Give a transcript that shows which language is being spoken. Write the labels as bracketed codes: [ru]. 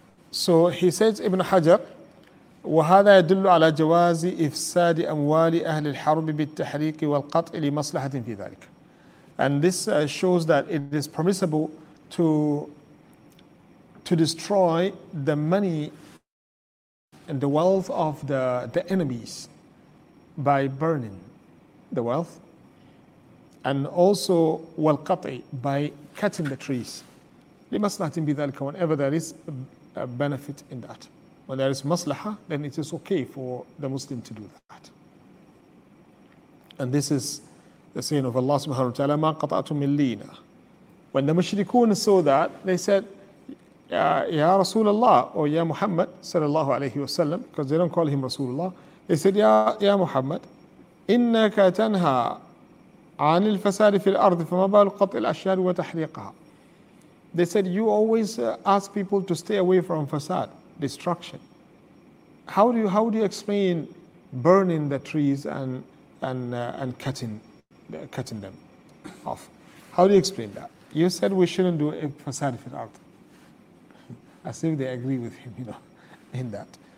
[en] So he says [ar] Ibn Hajar, وهذا يدل على جواز إفساد أموال أهل الحرب بالتحريك والقطع لمصلحة في ذلك. [en] And this shows that it is permissible to destroy the money and the wealth of the enemies by burning the wealth, and also [ar] والقطعي [en] by cutting the trees. [ar] لمصلحة بذلك, [en] whenever there is a benefit in that. When there is maslaha, then it is okay for the Muslim to do that. And this is the saying of Allah subhanahu wa ta'ala, [ar] ما قطعتم من لينة. [en] When the mushrikun saw that, they said, Ya Rasulullah, or Ya Muhammad sallallahu alayhi wa sallam, because they don't call him Rasulullah. They said, [ar] Ya Muhammad, إِنَّكَ تَنْهَى عَنِ الْفَسَادِ فِي الْأَرْضِ فَمَا بَالُ قَطْعِ الْأَشْجَارِ وَتَحْرِيقَهَا. [en] They said, you always ask people to stay away from fasad, destruction. How do you explain burning the trees and cutting them off? How do you explain that? You said we shouldn't do fasad fil ard. As if they agree with him, you know, in that.